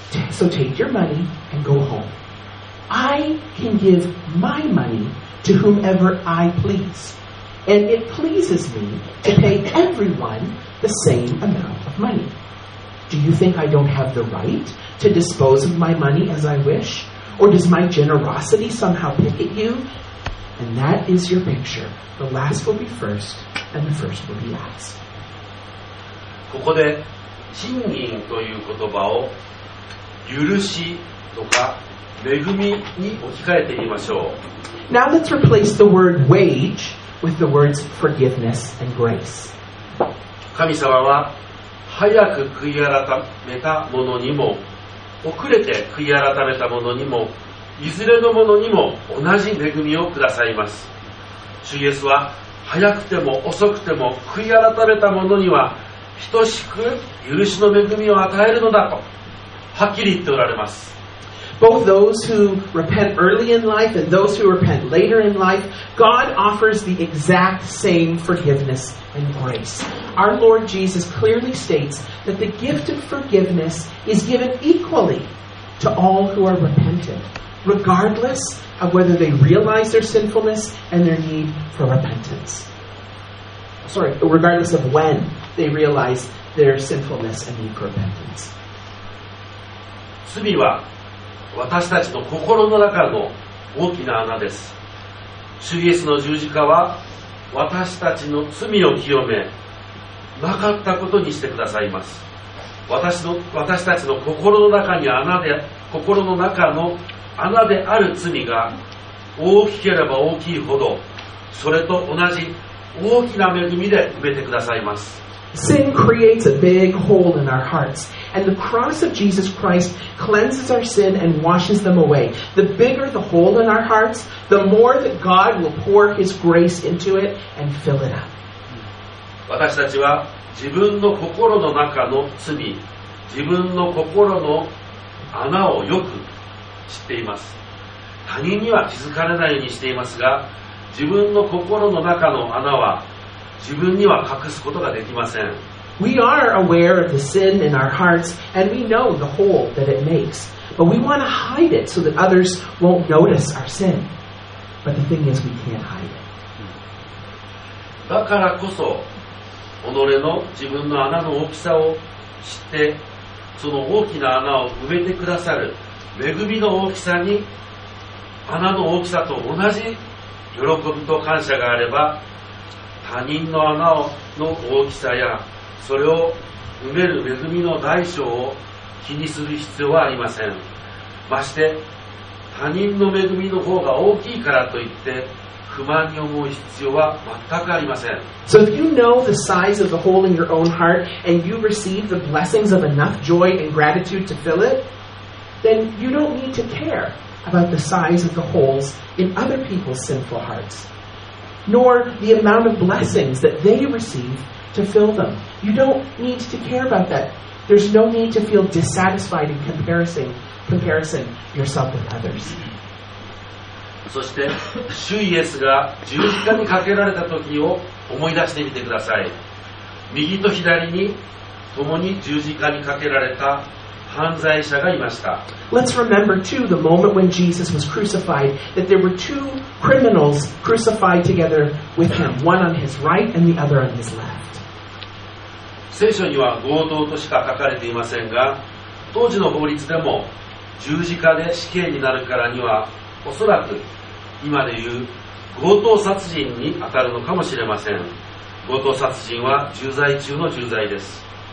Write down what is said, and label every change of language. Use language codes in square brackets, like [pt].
[en] So take your money and go home. I can give my money to whomever I please, and it pleases me to pay everyone the same amount of money. Do you think I don't have the right to dispose of my money as I wish? Or does my generosity somehow pick at you?" And that is your picture. The last will be first, and the first will be last. [ja] ここで賃金という言葉を許しとか恵みに置き換えてみましょう。 [en] Now let's replace the word wage with the words forgiveness and grace. [ja] 神様は早く悔い改めたものにも遅れて悔い改めたものにもいずれのものにも同じ恵みをくださいます。主イエスは早くても遅くても悔い改めたものには等しく許しの恵みを与えるのだとはっきり言っておられます。 [en] Both those who repent early in life and those who repent later in life, God offers the exact same forgiveness and grace. Our Lord Jesus clearly states that the gift of forgiveness is given equally to all who are repentant, regardless of whether they realize their sinfulness and their need for repentance. Sorry, regardless of when they realize their sinfulness and need for repentance. [ja] 罪は私たちの心の中の大きな穴です。主イエスの十字架は私たちの罪を清めなかったことにしてくださいます。私たちの心の中に穴で、心の中の穴である罪が大きければ大きいほど、それと同じ大きな恵みで埋めてくださいます。 [en] Sin creates a big hole in our hearts, and the cross of Jesus Christ cleanses our sin and washes them away. The bigger the hole in our hearts, the more that God will pour His grace into it and fill it up. [ja] 私たちは自分の心の中の罪、自分の心の穴をよく知っています。他人には気づかれないようにしていますが、自分の心の中の穴は自分には隠すことができません。 [en] We are aware of the sin in our hearts, and we know the hole that it makes. But we want to hide it so that others won't notice our sin. But the thing is, we can't hide it. [ja] だからこそ、己の自分の穴の大きさを知って、その大きな穴を埋めてくださる恵みの大きさに、穴の大きさと同じ喜びと感謝があれば、他人の穴の大きさやそれを埋める恵みの大小を気にする必要はありません。まして他人の恵みの方が大きいからといって不満に思う必要は全くありません。 [en] So if you know the size of the hole in your own heart and you receive the blessings of enough joy and gratitude to fill it, then you don't need to care about the size of the holes in other people's sinful hearts. Nor the amount of blessings that they receive to fill them. You don't need to care about that. There's no need to feel dissatisfied in comparison yourself with others. [ja] そして、主イエスが十字架にかけられた時を思い出してみてください。右と左に共に十字架にかけられた犯罪者がいました。 [en] Let's remember too the moment when Jesus was crucified, that there were two criminals crucified together with him, one on his right and the other on his left. [ja] 聖書には強盗としか書かれていませんが、当時の法律でも十字架で死刑になるからには、おそらく今でいう強盗殺人に当たるのかもしれません。強盗殺人は重罪中の重罪です。